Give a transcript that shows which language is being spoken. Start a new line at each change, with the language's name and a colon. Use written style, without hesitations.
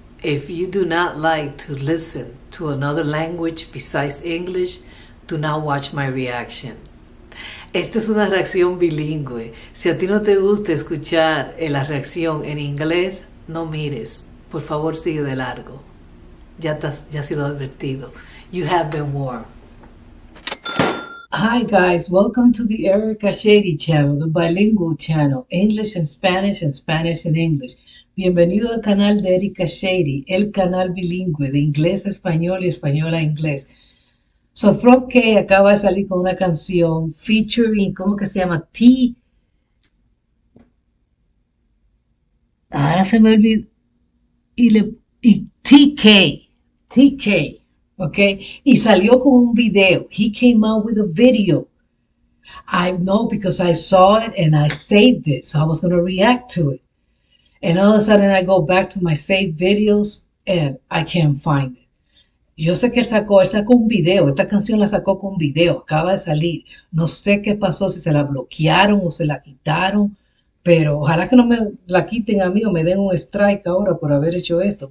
English: If you do not like to listen to another language besides English, do not watch my reaction.
Spanish: Esta es una reacción bilingüe. Si a ti no te gusta escuchar la reacción en inglés, no mires. Por favor, sigue de largo. Ya ha sido advertido.
English: You have been warned. Hi guys, welcome to the Erica Shady channel, the bilingual channel, English and Spanish in English.
Spanish: Bienvenido al canal de Erica Shady, el canal bilingüe de inglés a español y español a inglés. Sofro K acaba de salir con una canción featuring, ¿cómo que se llama? T. Ahora se me olvidó. Y TK. TK. Okay, y salió con un video.
English: He came out with a video. I know because I saw it and I saved it, so I was going to react to it. And all of a sudden I go back to my saved videos and I can't find it.
Spanish: Yo sé que él sacó un video. Esta canción la sacó con un video. Acaba de salir. No sé qué pasó, si se la bloquearon o se la quitaron. Pero ojalá que no me la quiten a mí o me den un strike ahora por haber hecho esto.